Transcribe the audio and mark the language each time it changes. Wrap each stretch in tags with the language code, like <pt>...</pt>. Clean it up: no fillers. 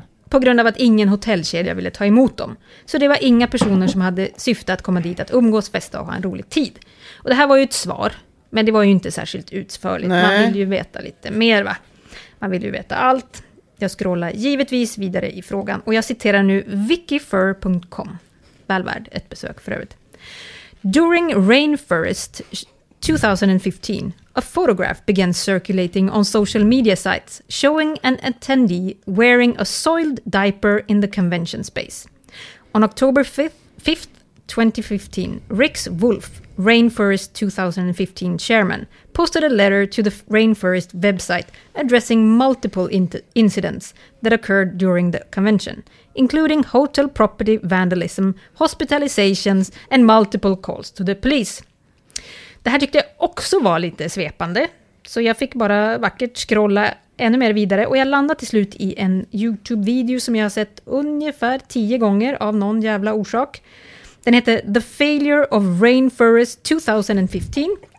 <sv>På grund av att ingen hotellkedja ville ta emot dem. Så det var inga personer som hade syfte att komma dit att umgås, festa och ha en rolig tid. Och det här var ju ett svar. Men det var ju inte särskilt utförligt. Nej. Man vill ju veta lite mer, va? Man vill ju veta allt. Jag scrollar givetvis vidare i frågan. Och jag citerar nu wikifur.com. Väl värd ett besök för övrigt.</sv> <en>During Rainforest 2015... A photograph began circulating on social media sites showing an attendee wearing a soiled diaper in the convention space. On October 5th, 2015, Rix Wolf, Rainforest 2015 chairman, posted a letter to the Rainforest website addressing multiple incidents that occurred during the convention, including hotel property vandalism, hospitalizations, and multiple calls to the police.</en> <sv>Det här tyckte jag också var lite svepande. Så jag fick bara vackert scrolla ännu mer vidare. Och jag landade till slut i en YouTube-video som jag har sett ungefär 10 gånger av någon jävla orsak. Den heter The Failure of Rainforest 2015.</sv>